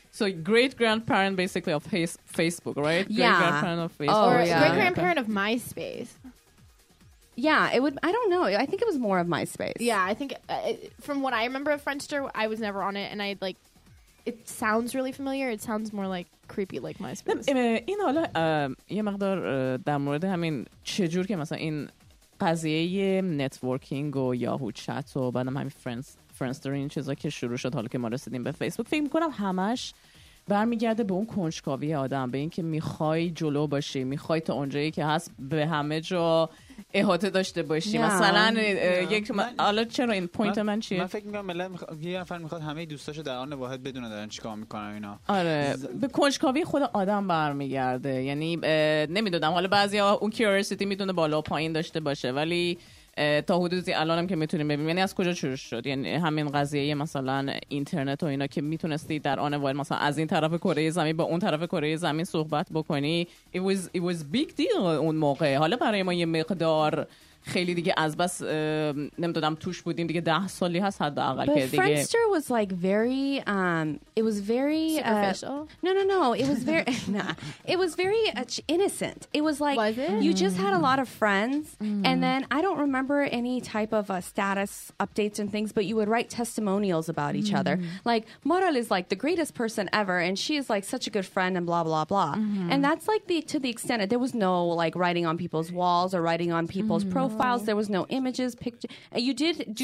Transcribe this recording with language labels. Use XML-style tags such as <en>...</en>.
<en>So great grandparent basically of Facebook, right? Yeah. Great grandparent of Facebook. Or yeah, great grandparent of MySpace. Yeah, it would. I don't know. I think it was more of MySpace. Yeah, I think from what I remember of Friendster, I was never on it and I'd like. It sounds really familiar. It sounds more like creepy, like MySpace.</en> <fa>این حالا یه مقدار در مورد همین چجور که مثلا این قضیه نتورکینگ و یاهو چت و بعدم همین فرندستر این چیزا که شروع شد حالا که ما رسیدیم به فیسبوک فکر میکنم همش برمیگرده به اون کنجکاوی آدم به این که میخوای جلو باشی میخوای تا اونجایی که هست به همه جا احاطه داشته باشی yeah, مثلا yeah. یک حالا چرا این پوینت من چیه من فکر میکنم ملت یه نفر میخواد همه دوستاشو در آن واحد بدونه دارن چیکار میکنن اینا آره به کنجکاوی خود آدم برمیگرده یعنی نمیدونم حالا بعضیا اون کیوریوسیتی میدونه بالا و پایین داشته باشه ولی تا حدودی الانم که میتونیم ببینیم یعنی از کجا شروع شد یعنی همین قضیه مثلا اینترنت و اینا که میتونستی در آن واحد مثلا از این طرف کره زمین با اون طرف کره زمین صحبت بکنی</fa> <en>it was big deal</en> <fa>اون موقع حالا برای ما یه مقدار خیلی دیگه از بس نمیدونم توش بودیم دیگه 10 سالی هست حداقل که دیگه</fa> <en>But Friendster was like very it was very superficial no it was very it was very innocent it was like was it? You just had a lot of friends and then I don't remember any type of status updates and things but you would write testimonials about each other like Moral is like the greatest person ever and she is like such a good friend and blah blah blah and that's like the to the extent that there was no like writing on people's walls or writing on people's profiles there was no images picture you did do</en>